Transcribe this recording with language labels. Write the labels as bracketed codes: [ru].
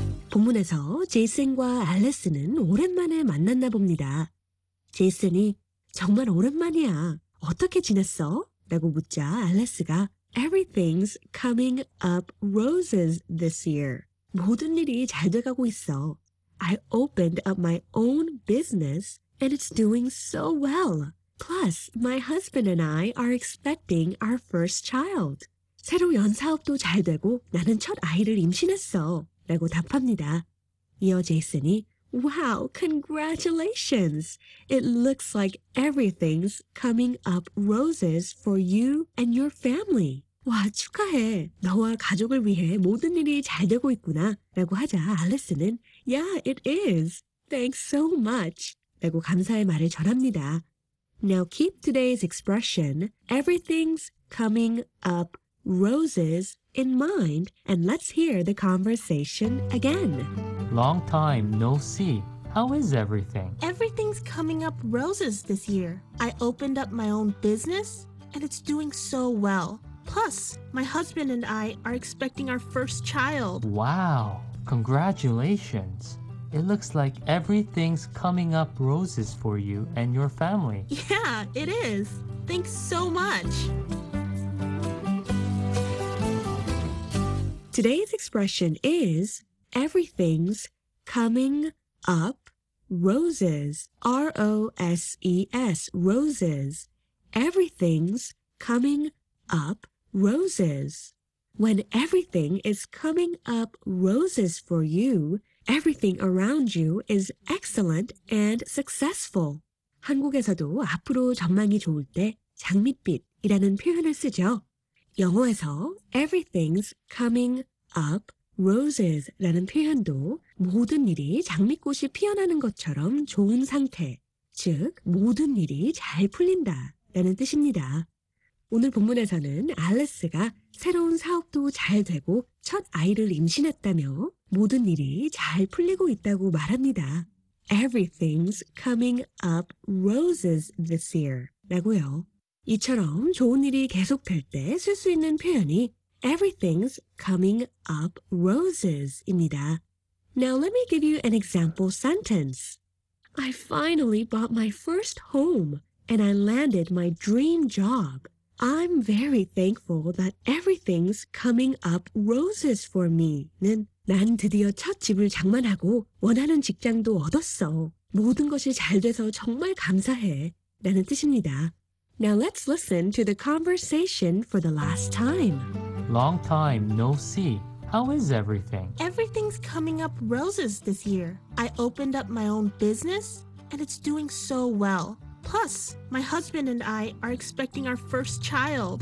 [ko] 본문에서 제이슨과 알리스는 오랜만에 만났나 봅니다. 제이슨이 정말 오랜만이야. 어떻게 지냈어? 라고 묻자 알리스가 [en] Everything's coming up roses this year. [ko] 모든 일이 잘 돼가고 있어. [en] I opened up my own business and it's doing so well. Plus, my husband and I are expecting our first child. [ko] 새로운 사업도 잘 되고 나는 첫 아이를 임신했어. 라고 답합니다. 이어 제이슨이 [en] Wow, congratulations! It looks like everything's coming up roses for you and your family. [ko] 와, 축하해. 너와 가족을 위해 모든 일이 잘 되고 있구나. 라고 하자 알리스는 [en] Yeah, it is. Thanks so much. [ko] 라고 감사의 말을 전합니다. [en] Now keep today's expression, everything's coming up roses in mind, and let's hear the conversation again. Long time no see. How is everything? Everything's coming up roses this year. I opened up my own business, and it's doing so well. Plus, my husband and I are expecting our first child. Wow, congratulations. It looks like everything's coming up roses for you and your family. Yeah, it is. Thanks so much. Today's expression is everything's coming up roses. R-O-S-E-S, roses. Everything's coming up roses. When everything is coming up roses for you, everything around you is excellent and successful. [ko] 한국에서도 앞으로 전망이 좋을 때 장밋빛이라는 표현을 쓰죠. 영어에서 [en] everything's coming up roses [ko] 라는 표현도 모든 일이 장미꽃이 피어나는 것처럼 좋은 상태, 즉 모든 일이 잘 풀린다라는 뜻입니다. 오늘 본문에서는 알리스가 새로운 사업도 잘 되고 첫 아이를 임신했다며 모든 일이 잘 풀리고 있다고 말합니다. [en] Everything's coming up roses this year [ko] 라고요. 이처럼 좋은 일이 계속될 때 쓸 수 있는 표현이 [en] Everything's coming up roses [ko] 입니다. [en] Now let me give you an example sentence. I finally bought my first home and I landed my dream job. I'm very thankful that everything's coming up roses for me. [ko] 는 난 드디어 첫 집을 장만하고 원하는 직장도 얻었어. 모든 것이 잘 돼서 정말 감사해. 라는 뜻입니다. [en] Now let's listen to the conversation for the last time. Long time no see. How is everything? Everything's coming up roses this year. I opened up my own business and it's doing so well. Plus, my husband and I are expecting our first child.